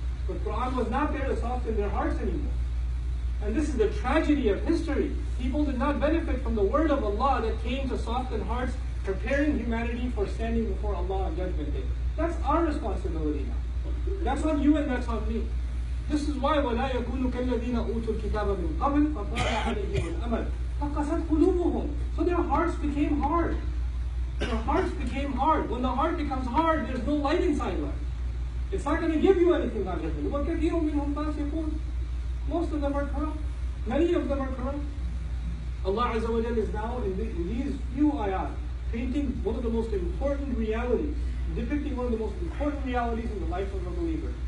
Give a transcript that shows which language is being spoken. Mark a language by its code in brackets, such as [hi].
[en] But Quran was not there to soften their hearts anymore. And this is the tragedy of history. People did not benefit from the word of Allah that came to soften hearts, preparing humanity for standing before Allah on Judgment Day. That's our responsibility now. That's on you and that's on me. This is why [ar] وَلَا يَكُونُ كَالَّذِينَ أُوتُوا الْكِتَابَ مِنْ قَبْلٍ فَطَالَ عَلَيْهِمُ الْأَمَدِ فَقَسَتْ قُلُوبُهُمْ. [en] So their hearts became hard. Their hearts became hard. When the heart becomes hard, there's no light inside left. It's not going to give you anything on Judgment Day. [ar] وَكَثِيرٌ مِنْهُمْ فَاسِقُونَ. [en] Most of them are corrupt. Many of them are corrupt. Allah Azza wa Jalla is now in these few ayat painting one of the most important realities, depicting one of the most important realities in the life of a believer.